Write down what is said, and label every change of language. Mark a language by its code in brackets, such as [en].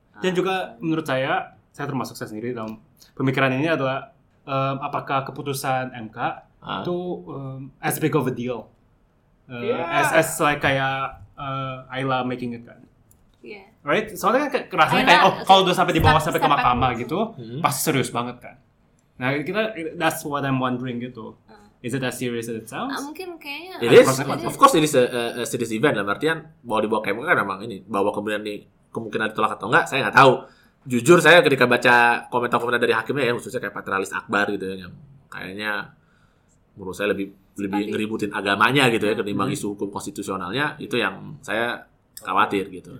[id] Dan juga menurut saya termasuk saya sendiri dalam pemikiran ini adalah apakah keputusan MK itu [en] as big of a deal as like [id] kayak Ayla making it kan, [en] right? [id] Soalnya kan rasanya kayak oh kalau udah sampai dibawa sampai ke mahkamah gitu pasti serius banget kan. Nah kita [en] that's what I'm wondering [id] gitu, [en] is it as serious as it sounds? [id] Mungkin kayaknya [en] it is. Of course it is a serious event [id] lah, artian bahwa dibawa ke MK kan memang ini bahwa kemudian nih kemungkinan ditolak atau enggak saya nggak tahu. Jujur saya ketika baca komentar-komentar dari hakimnya ya, khususnya kayak Patrialis Akbar gitu ya, yang kayaknya menurut saya lebih ngeributin agamanya gitu ya ketimbang isu hukum konstitusionalnya, itu yang saya khawatir gitu.